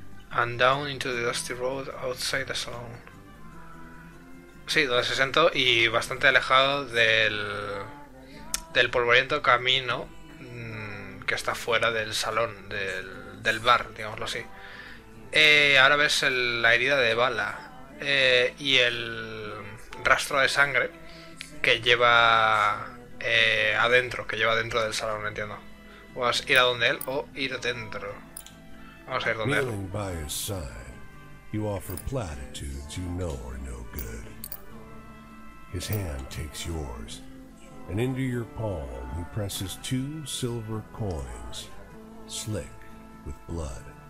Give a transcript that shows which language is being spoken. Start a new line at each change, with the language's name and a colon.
English: And down into the dusty road outside the salon.
Spanish: Sí, donde se sentó y bastante alejado del polvoriento camino que está fuera del salón, del bar, digámoslo así. Ahora ves la herida de bala y el rastro de sangre que lleva adentro, que lleva dentro del salón, entiendo. Vas a ir a donde él o ir dentro. Vamos a ir donde él.
English: By his side, you offer platitudes you know are no good. His hand takes yours, and into your palm he presses two silver coins, slick with blood.